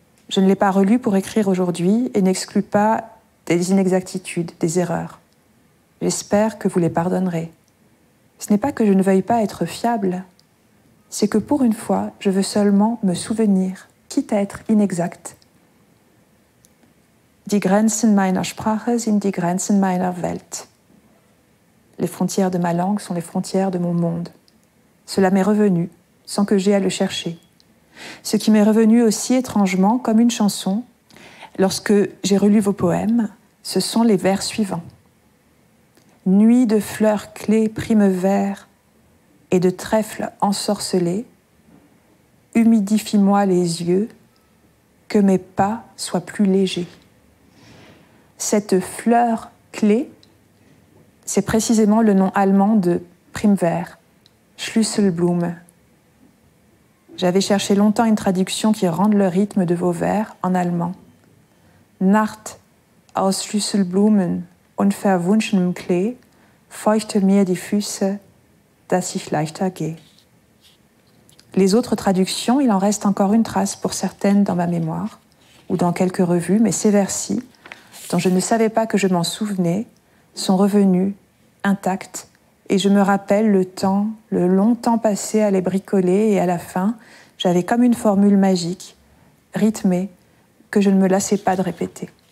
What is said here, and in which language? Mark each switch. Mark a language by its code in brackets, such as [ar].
[fr] Je ne l'ai pas relu pour écrire aujourd'hui et n'exclus pas des inexactitudes, des erreurs. J'espère que vous les pardonnerez. Ce n'est pas que je ne veuille pas être fiable, c'est que pour une fois, je veux seulement me souvenir, quitte à être inexact. [de] Die Grenzen meiner Sprache sind die Grenzen meiner Welt. [fr] Les frontières de ma langue sont les frontières de mon monde. Cela m'est revenu, sans que j'aie à le chercher. Ce qui m'est revenu aussi étrangement, comme une chanson, lorsque j'ai relu vos poèmes, ce sont les vers suivants. Nuit de fleurs clés prime vert et de trèfles ensorcelés, humidifie-moi les yeux, que mes pas soient plus légers. Cette fleur clé, c'est précisément le nom allemand de prime vert, Schlüsselblume. J'avais cherché longtemps une traduction qui rende le rythme de vos vers en allemand. [de] Nacht aus Schlüsselblumen und verwunschenem Klee, feuchte mir die Füße, dass ich leichter gehe. [fr] Les autres traductions, il en reste encore une trace pour certaines dans ma mémoire, ou dans quelques revues, mais ces vers-ci, dont je ne savais pas que je m'en souvenais, sont revenus, intacts, et je me rappelle le temps, le long temps passé à les bricoler, et à la fin, j'avais comme une formule magique, rythmée, que je ne me lassais pas de répéter.